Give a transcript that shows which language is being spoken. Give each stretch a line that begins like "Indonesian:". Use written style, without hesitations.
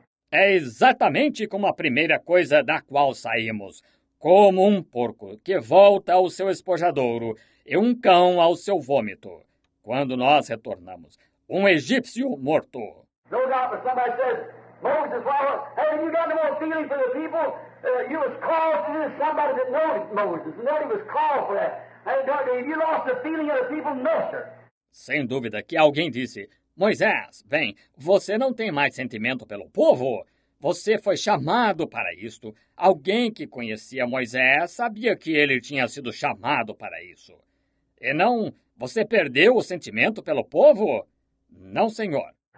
Portuguese: É exatamente como a primeira coisa da qual saímos. Como um porco que volta ao seu espojadouro e um cão ao seu vômito. Quando nós retornamos, um egípcio morto.
English: No doubt, but somebody says, Moses, well, hey, you got no more feeling for the people? You was called to this. Somebody that knows Moses, and that he was called for that. Hey, don't you lost the feeling of the people? No, sir.
Portuguese: Sem dúvida que alguém disse, Moisés, vem, você não tem mais sentimento pelo povo? Você foi chamado para isto. Alguém que conhecia Moisés sabia que ele tinha sido chamado para isso. E não, você perdeu o sentimento pelo povo? Não, senhor.